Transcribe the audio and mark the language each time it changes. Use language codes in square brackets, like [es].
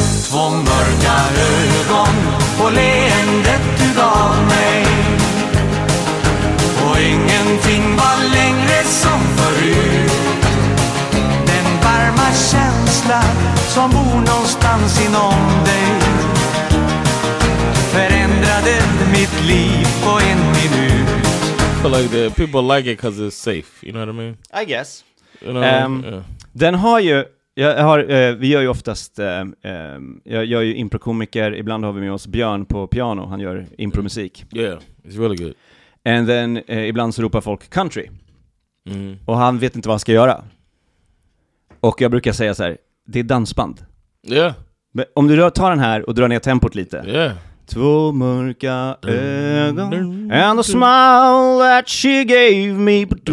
[sv] Två mörka ögon på leendet du gav mig, och ingenting var längre som förut. Den varma känsla som bor någonstans inom dig förändrade mitt liv på en minut. [en] But like the people like it because it's safe, you know what I mean? I guess. You know, [sv] Den har ju, jag har, vi gör ju oftast, jag är ju improkomiker, ibland har vi med oss Björn på piano, han gör impromusik. [en] Yeah, it's really good. And then [sv] ibland så ropar folk country. Mm. Och han vet inte vad han ska göra. Och jag brukar säga så här, det är dansband. [en] Yeah. [sv] Men om du tar den här och drar ner tempot lite. [en] Yeah. [sv] Två mörka ögon [en] and a smile that she gave me.